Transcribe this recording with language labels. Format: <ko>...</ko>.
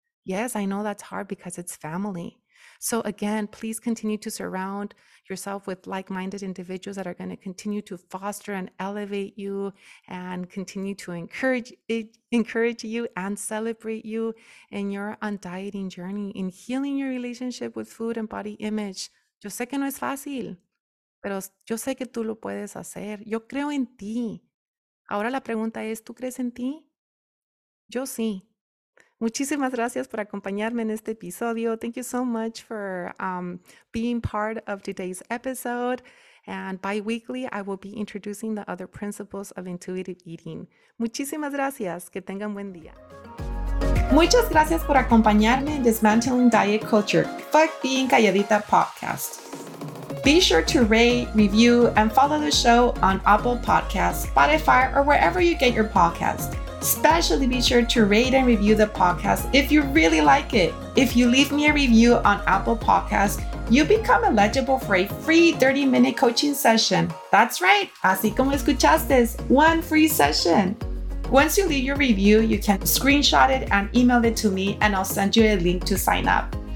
<en>Yes, I know that's hard because it's family. So again, please continue to surround yourself with like-minded individuals that are going to continue to foster and elevate you and continue to encourage you and celebrate you in your undieting journey, in healing your relationship with food and body image.</en> <es>Yo sé que no es fácil, pero yo sé que tú lo puedes hacer. Yo creo en ti. Ahora la pregunta es, ¿tú crees en ti? Yo sí. Muchísimas gracias por acompañarme en este episodio.</es> <en>Thank you so much for being part of today's episode. And bi-weekly, I will be introducing the other principles of intuitive eating.</en> <es>Muchísimas gracias. Que tengan buen día. Muchas gracias por acompañarme en Dismantling Diet Culture, Fuck Being Calladita podcast.</es> <en>Be sure to rate, review, and follow the show on Apple Podcasts, Spotify, or wherever you get your podcast. Especially be sure to rate and review the podcast if you really like it. If you leave me a review on Apple Podcasts, you become eligible for a free 30-minute coaching session. That's right,</en> <es>así como escuchaste,</es> <en>one free session. Once you leave your review, you can screenshot it and email it to me, and I'll send you a link to sign up.</en>